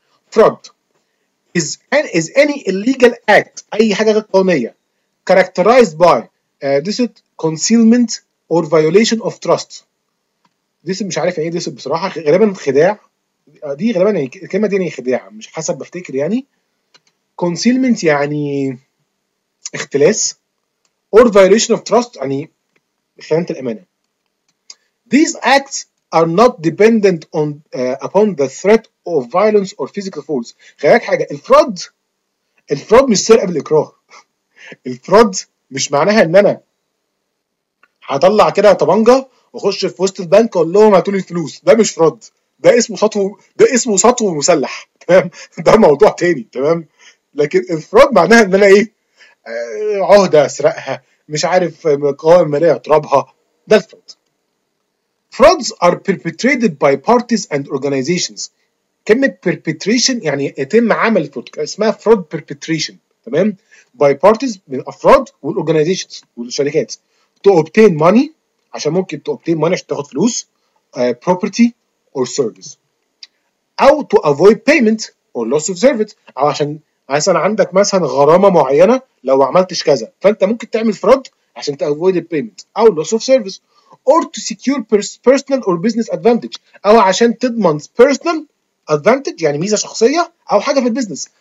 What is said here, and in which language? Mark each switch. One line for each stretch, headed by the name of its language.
English: fraud is any illegal act،
Arabic: اي حاجه غير قانونيه،
English: characterized by deceit, concealment or violation of trust.
Arabic: deceit مش عارف يعني ايه deceit بصراحه، غالبا خداع، دي غالبا يعني الكلمه دي يعني خداع مش حسب بفتكر يعني.
English: concealment
Arabic: يعني اختلاس،
English: or violation of trust
Arabic: يعني خيانه الامانه.
English: these acts are not dependent on upon the threat of violence or physical force.
Arabic: خلاك حاجه، الفراد مش سرقه بالاكراه. الفراد مش معناها ان انا هطلع كده طبنجه واخش في وسط البنك واقول لهم هاتوا لي الفلوس، ده مش فراد، ده اسمه سطو مسلح، تمام؟ ده موضوع تاني، تمام؟ لكن الفراد معناها ان انا ايه، عهده سرقها، مش عارف قوائم ماليه اضربها، ده الفراد.
English: frauds are perpetrated by parties and organizations.
Arabic: كلمه perpetration يعني يتم عمل فرد، اسمها fraud perpetration، تمام؟ by parties من افراد والorganizations والشركات،
English: to obtain money
Arabic: عشان ممكن to obtain money عشان تاخد فلوس،
English: property or service،
Arabic: او
English: to avoid payment or loss of service،
Arabic: او عشان مثلا عندك مثلا غرامه معينه لو ما عملتش كذا فانت ممكن تعمل فراد عشان ت avoid payment او loss of service،
English: or to secure personal or business advantage،
Arabic: او عشان تضمن personal advantage يعني ميزه شخصيه او حاجه في البيزنس.